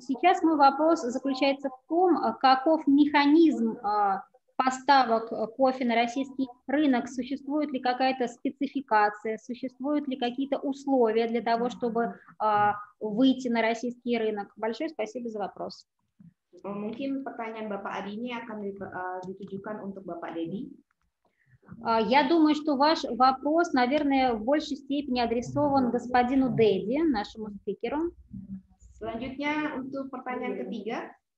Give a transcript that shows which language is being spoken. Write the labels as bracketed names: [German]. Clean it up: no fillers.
[Russian] Сейчас мой вопрос заключается в том, каков механизм поставок кофе на российский рынок, существует ли какая-то спецификация, существуют ли какие-то условия для того, чтобы выйти на российский рынок. Большое спасибо за вопрос. [Indonesian] Mungkin pertanyaan Bapak Adi ini akan ditujukan untuk Bapak Deddy. [Russian] Я думаю, что ваш вопрос, наверное, в большей степени адресован господину Деди, нашему спикеру. [Indonesian] Selanjutnya untuk pertanyaan ketiga.